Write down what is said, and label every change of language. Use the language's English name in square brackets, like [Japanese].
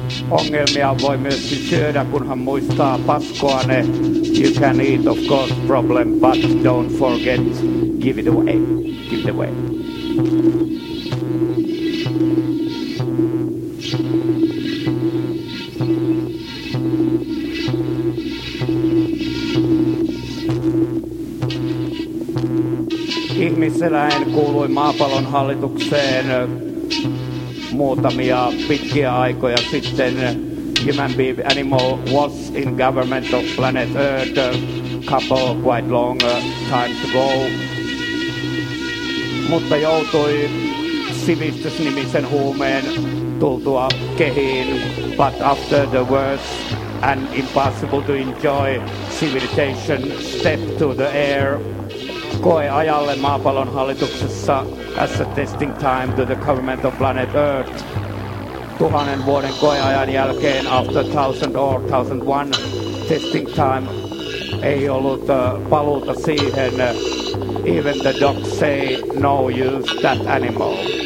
[Finnish] Ongelmia voi myös syödä, kunhan muistaa paskoa ne. [English] You can eat, of course, problem, but don't forget, give it away, give it away. [Finnish] Ihmiseläin kuului maapallon hallitukseen muutamia pitkiä aikoja sitten. [English] Human being, animal was in government of planet Earth a couple quite long times ago. [Finnish] Mutta joutui sivistysnimisen huumeen tultua kehiin. [English] But after the worst and impossible to enjoy civilization step to the air, [Finnish] koe ajalle maapallon hallituksessa. [English] As a testing time to the government of planet Earth. [Finnish] 1000 vuoden koeajan jälkeen, [English] after 1000 or 1001 testing time, [Finnish] ei ollut paluuta siihen. [English] Even the dogs say, no use that animal.